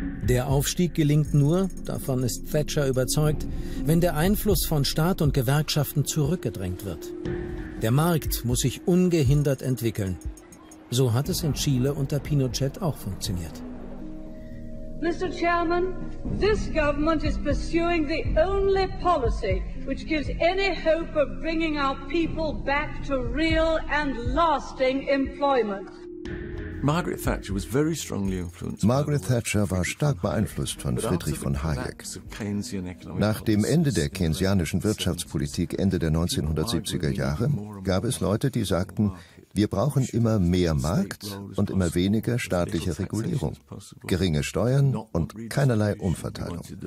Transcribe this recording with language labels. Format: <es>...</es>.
<de>Der Aufstieg gelingt nur, davon ist Thatcher überzeugt, wenn der Einfluss von Staat und Gewerkschaften zurückgedrängt wird. Der Markt muss sich ungehindert entwickeln. So hat es in Chile unter Pinochet auch funktioniert.</de> <en>Mr. Chairman, this government is pursuing the only policy which gives any hope of bringing our people back to real and lasting employment.</en> <de>Margaret Thatcher war stark beeinflusst von Friedrich von Hayek. Nach dem Ende der keynesianischen Wirtschaftspolitik Ende der 1970er Jahre gab es Leute, die sagten, wir brauchen immer mehr Markt und immer weniger staatliche Regulierung, geringe Steuern und keinerlei Umverteilung.</de>